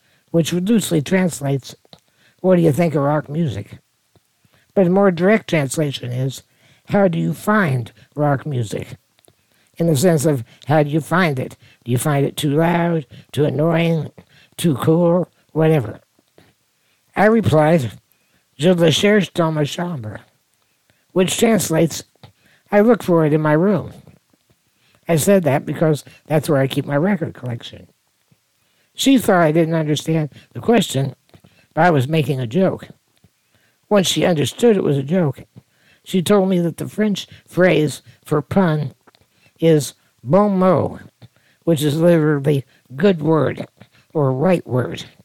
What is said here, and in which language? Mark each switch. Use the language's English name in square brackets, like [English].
[English] Which loosely translates, what do you think of rock music? But a more direct translation is, how do you find rock music? In the sense of, how do you find it? Do you find it too loud, too annoying, too cool, whatever? I replied, [French] je le cherche dans ma chambre. [English] Which translates, I look for it in my room. I said that because that's where I keep my record collection. She thought I didn't understand the question, but I was making a joke. Once she understood it was a joke, she told me that the French phrase for pun is bon mot, which is literally good word or right word.